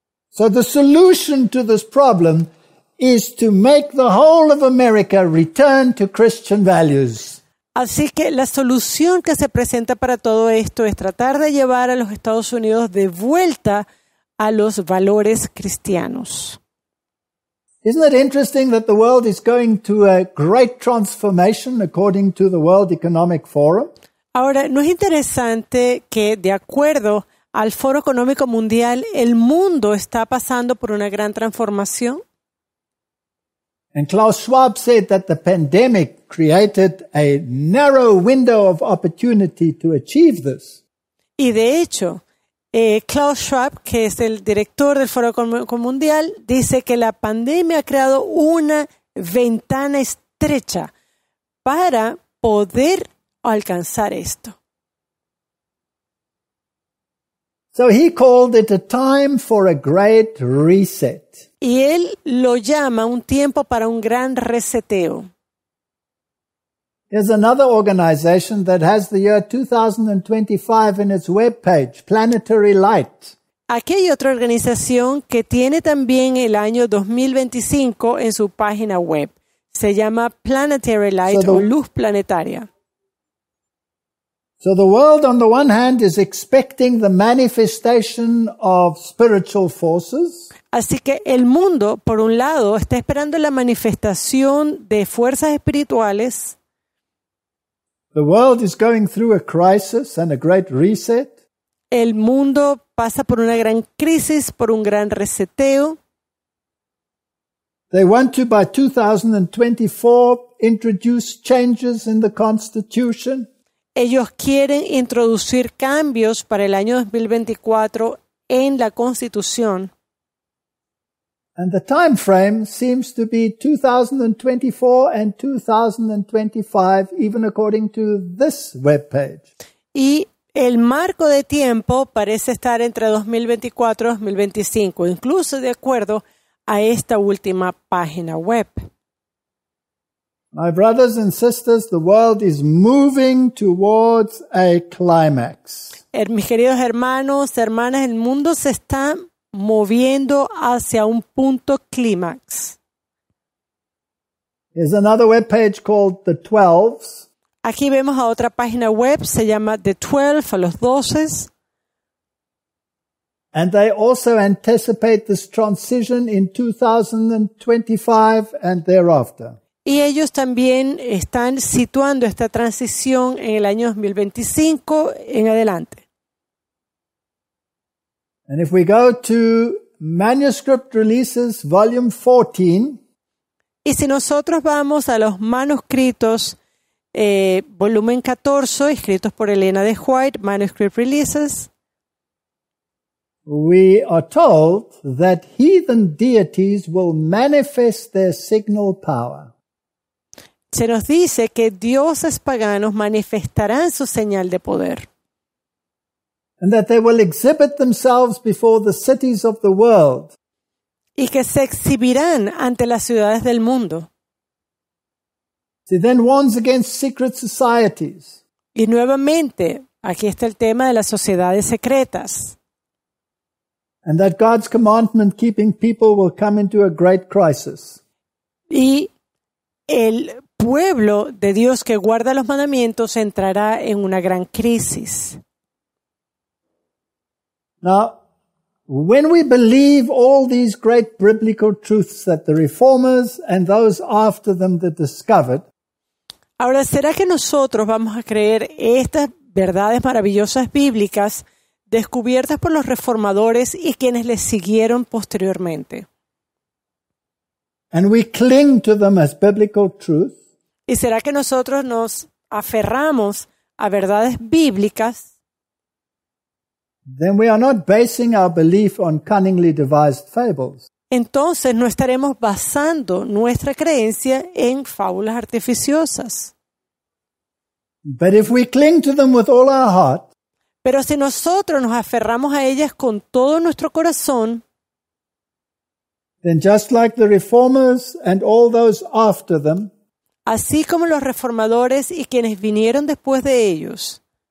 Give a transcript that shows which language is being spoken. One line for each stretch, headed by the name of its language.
English: So the solution to this problem is to make the whole of America return to Christian values.
Spanish: Así que la solución que se presenta para todo esto es tratar de llevar a los Estados Unidos de vuelta a los valores cristianos.
English: Isn't it interesting that the world is going to a great transformation according to the World Economic Forum?
Spanish: Ahora, ¿no es interesante que de acuerdo al Foro Económico Mundial el mundo está pasando por una gran transformación?
English: And Klaus Schwab said that the pandemic created a narrow window of opportunity to achieve this.
Spanish: Y de hecho, Klaus Schwab, que es el director del Foro Económico Mundial, dice que la pandemia ha creado una ventana estrecha para poder alcanzar esto.
English: So he called it a time for a great reset.
Spanish: Y él lo llama un tiempo para un gran reseteo.
English: There's another organization that has the year 2025 in its webpage, Planetary Light.
Spanish: Aquí hay otra organización que tiene también el año 2025 en su página web. Se llama Planetary Light, o Luz Planetaria.
English: So the world on the one hand is expecting the manifestation of spiritual forces.
Spanish: Así que el mundo, por un lado, está esperando la manifestación de fuerzas espirituales.
English: The world is going through a crisis and a great reset.
Spanish: El mundo pasa por una gran crisis, por un gran reseteo.
English: They want to, by 2024, introduce changes in the Constitution.
Spanish: Ellos quieren introducir cambios para el año 2024 en la Constitución.
English: And the time frame seems to be 2024 and 2025, even according to this webpage.
Spanish: Y el marco de tiempo parece estar entre 2024 y 2025, incluso de acuerdo a esta última página web.
English: My brothers and sisters, the world is moving towards a climax.
Spanish: Mis queridos hermanos, hermanas, el mundo se está moviendo hacia un punto clímax.
English: There's another web page called The Twelves.
Spanish: Aquí vemos a otra página web, se llama The Twelve, los Doces.
English: And they also anticipate this transition in 2025 and thereafter.
Spanish: Y ellos también están situando esta transición en el año 2025 en adelante.
English: And if we go to Manuscript Releases, Volume 14.
Spanish: Y si nosotros vamos a los manuscritos, volumen 14, escritos por Elena de White, Manuscript Releases.
English: We are told that heathen deities will manifest their signal power.
Spanish: Se nos dice que dioses paganos manifestarán su señal de poder.
English: And that they will exhibit themselves before the cities of the world.
Spanish: Y que se exhibirán ante las ciudades del mundo.
English: So then warns against secret societies.
Spanish: Y nuevamente, aquí está el tema de las sociedades secretas.
English: And that God's commandment keeping people will come into a great crisis.
Spanish: Y el pueblo de Dios que guarda los mandamientos entrará en una gran crisis.
English: Now, when we believe all these great biblical truths that the reformers and those after them that discovered.
Spanish: Ahora, ¿será que nosotros vamos a creer estas verdades maravillosas bíblicas descubiertas por los reformadores y quienes les siguieron posteriormente?
English: And we cling to them as biblical truth.
Spanish: ¿Y será que nosotros nos aferramos a verdades bíblicas?
English: Then we are not basing our belief on cunningly devised fables.
Spanish: Entonces no estaremos basando nuestra creencia en fábulas artificiosas.
English: But if we cling to them with all our heart,
Spanish: pero si nosotros nos aferramos a ellas con todo nuestro corazón,
English: then just like the reformers and all those after them,
Spanish: así como los reformadores y quienes vinieron después de ellos,